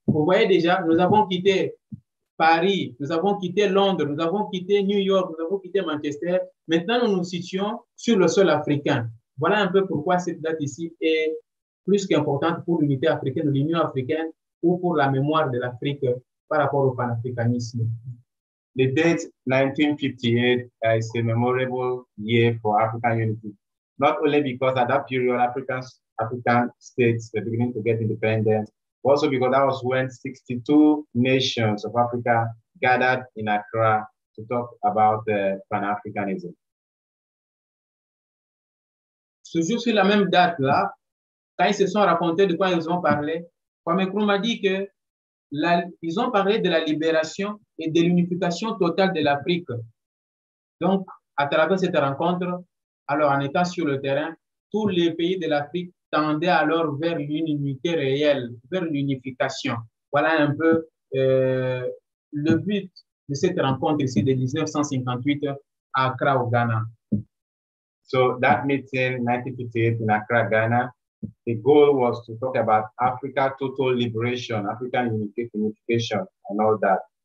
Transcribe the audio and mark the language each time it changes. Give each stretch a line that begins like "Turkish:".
French: Vous voyez déjà, nous avons quitté Paris, nous avons quitté Londres, nous avons quitté New York, nous avons quitté Manchester. Maintenant, nous nous situons sur le sol africain. Voilà un peu pourquoi cette date ici est plus qu'importante pour l'unité africaine, l'Union africaine, ou pour la mémoire de l'Afrique par rapport au panafricanisme.
English: The date 1958 is a memorable year for African unity. Not only because at that period, African states were beginning to get independent, but also because that was when 62 nations of Africa gathered in Accra to talk about Pan-Africanism.
French: Toujours sur la même date-là, quand ils se sont racontés de quoi ils ont parlé, Kwame Nkrumah a dit qu'ils ont parlé de la libération et de l'unification totale de l'Afrique. Donc, à travers cette rencontre, alors en étant sur le terrain, tous les pays de l'Afrique tendaient alors vers une unité réelle, vers l'unification. Voilà un peu le but de cette rencontre ici de 1958 à Accra, au Ghana.
English: So that meeting, 1958 in Accra, Ghana, the goal was to talk about Africa total liberation, African unification, and all that.